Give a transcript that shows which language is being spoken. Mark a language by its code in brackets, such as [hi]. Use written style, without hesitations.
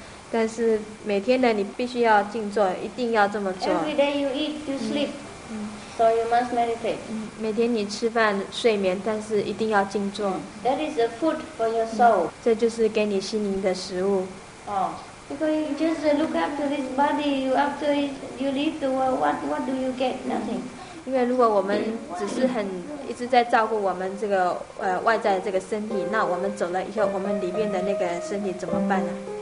[zh] 但是每天的你必须要静坐，一定要这么做。 [en] Every day you eat, you sleep. So you must meditate. [zh] 每天你吃饭睡眠，但是一定要静坐。 [en] That is a food for your soul. [zh] 这就是给你心灵的食物。 [en] Because you just look after this body, you after you leave the world, what do you get? Nothing. [zh] 因为如果我们只是很一直在照顾我们这个外在的这个身体，那我们走了以后，我们里面的那个身体怎么办呢？